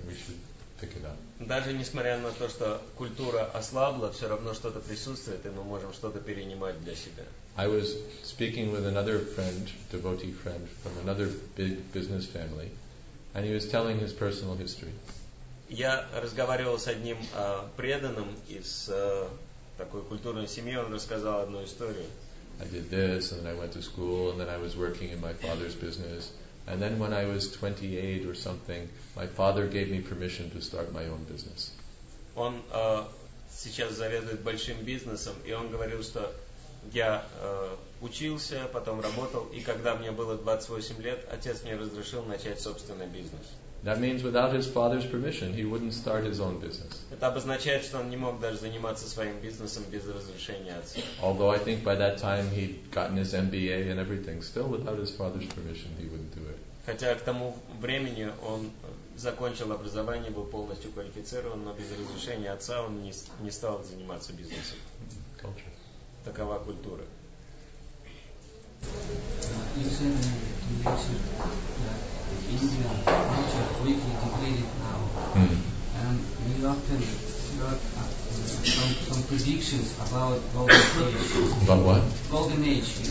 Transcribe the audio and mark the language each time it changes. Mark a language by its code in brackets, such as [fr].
[en] We should pick it up. [ru] Даже несмотря на то, что культура ослабла, все равно что-то присутствует, и мы можем что-то перенимать для себя. [en] I was speaking with another friend, devotee friend from another big business family, and he was telling his personal history. [ru] Я разговаривал с одним преданным из такой культурной семьи, он рассказал одну историю. [en] I did this, and then I went to school, and then I was working in my father's business. And then when I was 28 or something, my father gave me permission to start my own business. [ru] Он сейчас заведует большим бизнесом, и он говорил, что я учился, потом работал, и когда мне было 28 лет, отец мне разрешил начать собственный бизнес. [en] That means without his father's permission, he wouldn't start his own business. [ru] Это обозначает, что он не мог даже заниматься своим бизнесом без разрешения отца. [en] Although I think by that time he'd gotten his MBA and everything, still without his father's permission, he wouldn't do it. [ru] Хотя к тому времени он закончил образование, был полностью квалифицирован, но без разрешения отца он не стал заниматься бизнесом. [en] Culture. [ru] Такова культура. [en] Indian culture quickly degraded now, and we often heard some predictions about golden age. About what? Golden age.